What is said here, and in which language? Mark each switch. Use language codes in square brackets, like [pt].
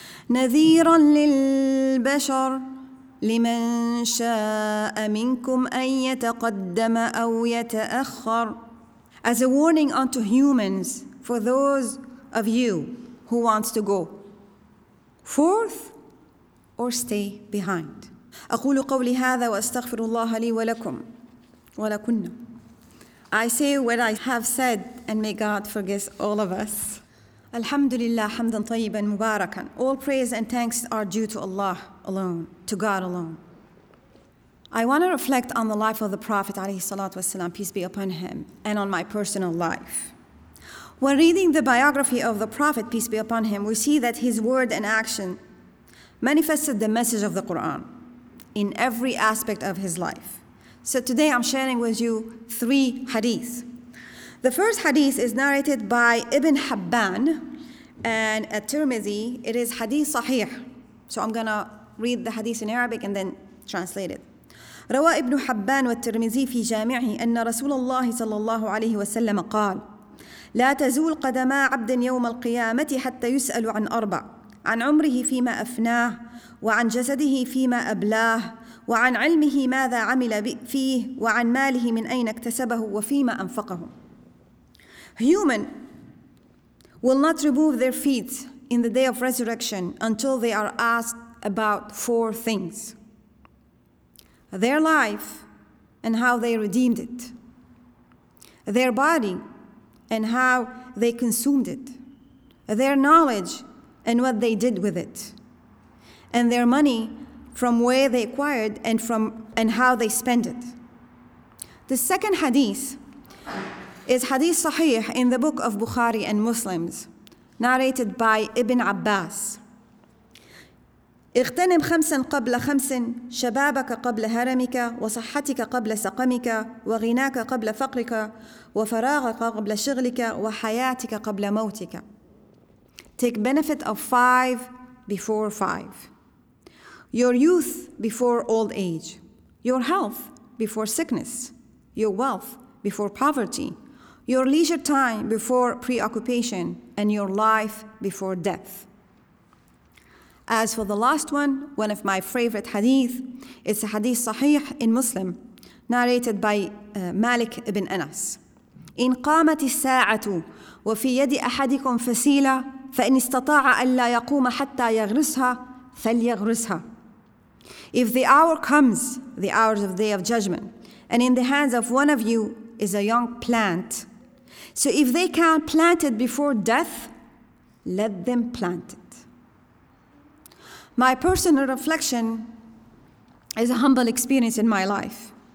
[ar] نَذِيرًا لِلْبَشَرِ لِمَنْ شَاءَ مِنْكُمْ أَنْ يَتَقَدَّمَ أَوْ يَتَأَخَّرَ. [en] As a warning unto humans, for those of you who wants to go forth or stay behind. [ar] أقول قولي هذا وأستغفر الله لي ولكم ولكنا. [en] I say what I have said, and may God forgive all of us. [ar] الحمد لله حمدا طيبا مباركا. [en] All praise and thanks are due to Allah alone, to God alone. I want to reflect on the life of the Prophet [ar] عليه الصلاة والسلام, [en] peace be upon him, and on my personal life. When reading the biography of the Prophet, peace be upon him, we see that his word and action manifested the message of the Quran in every aspect of his life. So today I'm sharing with you three hadiths. The first hadith is narrated by Ibn Hibban and at Tirmidhi. It is hadith sahih. So I'm going to read the hadith in Arabic and then translate it. [ar] روى ابن حبان والترمذي في جامعه أن رسول الله صلى الله عليه وسلم قال لا تزول قدما عبد يوم القيامة حتى يسأل عن أربع: عن عمره فيما أفناه، وعن جسده فيما أبلاه، وعن علمه ماذا عمل فيه، وعن ماله من أين اكتسبه وفيما أنفقه. [en] Human will not remove their feet in the day of resurrection until they are asked about four things: their life and how they redeemed it, their body and how they consumed it, their knowledge and what they did with it, and their money from where they acquired and from and how they spent it. The second hadith is hadith sahih in the book of Bukhari and Muslims, narrated by Ibn Abbas. [ar] اغتنم خمسا قبل خمس: شبابك قبل هرمك، وصحتك قبل سقمك، وغناك قبل فقرك، وفراغك قبل شغلك، وحياتك قبل موتك. [en] Take benefit of five before five. Your youth before old age. Your health before sickness. Your wealth before poverty. Your leisure time before preoccupation, and your life before death. As for the last one of my favorite hadith, it's a hadith sahih in Muslim, narrated by Malik ibn Anas. [ar] إن قامت الساعة وفي يد أحدكم فسيلة فإن استطاع ألا يقوم حتى يغرسها فليغرسها. [en] If the hour comes, the hours of the day of judgment, and in the hands of one of you is a young plant, so if they can't plant it before death, let them plant it. My personal reflection is a humble experience in my life.